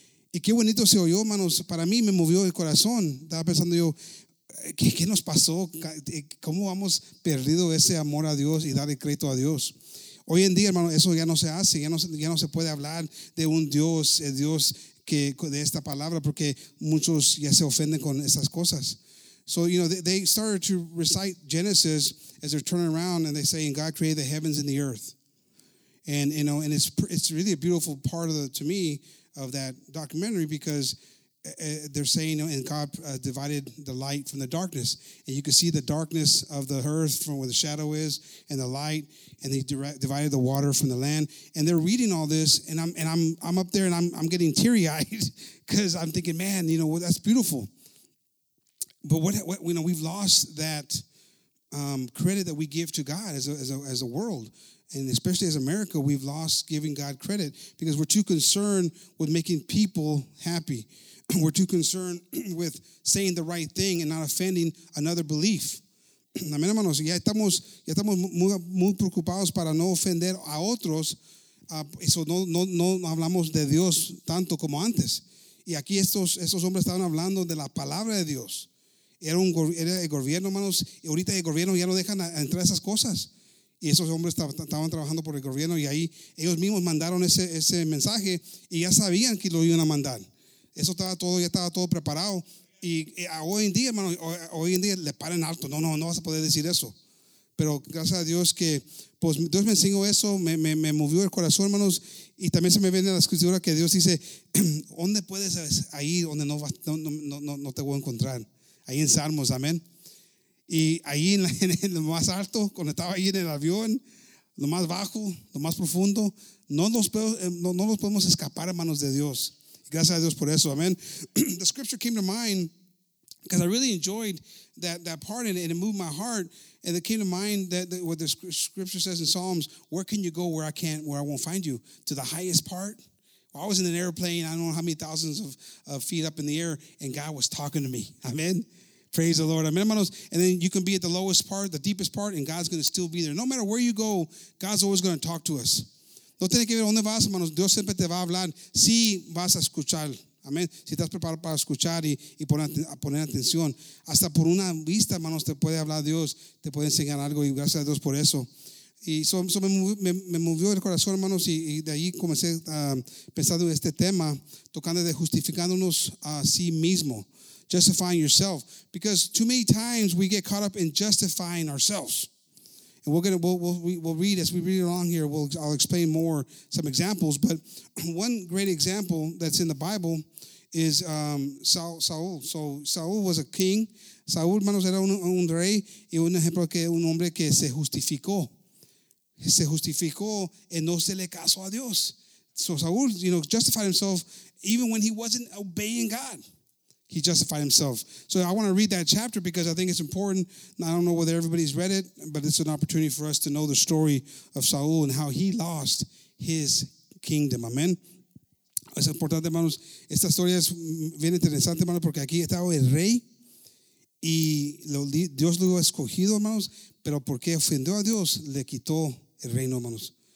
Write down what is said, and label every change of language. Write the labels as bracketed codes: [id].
[es] Y qué bonito se oyó, hermanos. Para mí me movió el corazón. Estaba pensando yo, ¿qué nos pasó? ¿Cómo hemos perdido ese amor a Dios y darle crédito a Dios? Hoy en día, hermanos, eso ya no se hace. Ya no se puede hablar de un Dios, el Dios que, de esta palabra, porque muchos ya se ofenden con esas cosas. [en] So, you know, they started to recite Genesis as they're turning around, and they say, "And God created the heavens and the earth." And, you know, and it's really a beautiful part of the, to me, of that documentary, because they're saying, and God divided the light from the darkness. And you can see the darkness of the earth from where the shadow is and the light, and they divided the water from the land. And they're reading all this, and I'm up there, and I'm getting teary-eyed because I'm thinking, man, you know, well, that's beautiful. But what you know, we've lost that credit that we give to God as a world. And especially as America, we've lost giving God credit because we're too concerned with making people happy. We're too concerned with saying the right thing and not offending another belief. [es] Amén, hermanos. Ya estamos muy preocupados para no ofender a otros. Eso no hablamos de Dios tanto como antes. Y aquí estos hombres estaban hablando de la palabra de Dios. Era el gobierno, hermanos. Y ahorita el gobierno ya no dejan entrar esas cosas. Y esos hombres estaban trabajando por el gobierno. Y ahí ellos mismos mandaron ese mensaje. Y ya sabían que lo iban a mandar. Eso estaba todo, ya estaba todo preparado. Y hoy en día, hermano, hoy en día le paran alto. No vas a poder decir eso. Pero gracias a Dios que, pues Dios me enseñó eso, me movió el corazón, hermanos. Y también se me viene la escritura que Dios dice, ¿dónde puedes ir donde no te voy a encontrar? Ahí en Salmos, amén. Y ahí en lo más alto, cuando estaba ahí en el avión, lo más bajo, lo más profundo, no nos podemos escapar, hermanos, de Dios. Gracias a Dios por eso. Amen. [en] The scripture came to mind because I really enjoyed that part in it, and it moved my heart. And it came to mind that what the scripture says in Psalms, where can you go where I won't find you? To the highest part? Well, I was in an airplane, I don't know how many thousands of feet up in the air, and God was talking to me. Amen. Praise the Lord. [es] Amen, hermanos. [en] And then you can be at the lowest part, the deepest part, and God's going to still be there. No matter where you go, God's always going to talk to us. [es] No tiene que ver dónde vas, hermanos. Dios siempre te va a hablar. Sí, vas a escuchar. Amén. Si estás preparado para escuchar y poner atención. Hasta por una vista, hermanos, te puede hablar Dios. Te puede enseñar algo. Y gracias a Dios por eso. Y eso me movió el corazón, hermanos. Y de ahí comencé pensando en este tema. Tocando de justificándonos a sí mismo. [en] Justifying yourself. Because too many times we get caught up in justifying ourselves. And we'll read as we read along here. I'll explain more some examples. But one great example that's in the Bible is Saul. So Saul was a king. [es] Saul, hermanos, era un rey y un ejemplo que un hombre que se justificó y no se le casó a Dios. [en] So Saul, you know, justified himself even when he wasn't obeying God. He justified himself. So I want to read that chapter because I think it's important. I don't know whether everybody's read it, but it's an opportunity for us to know the story of Saul and how he lost his kingdom. [es] Amen. Es importante, hermanos. Esta historia es bien interesante, hermanos, porque aquí estaba el rey y Dios lo escogido, hermanos, pero porque ofendió a Dios, le quitó el reino, hermanos.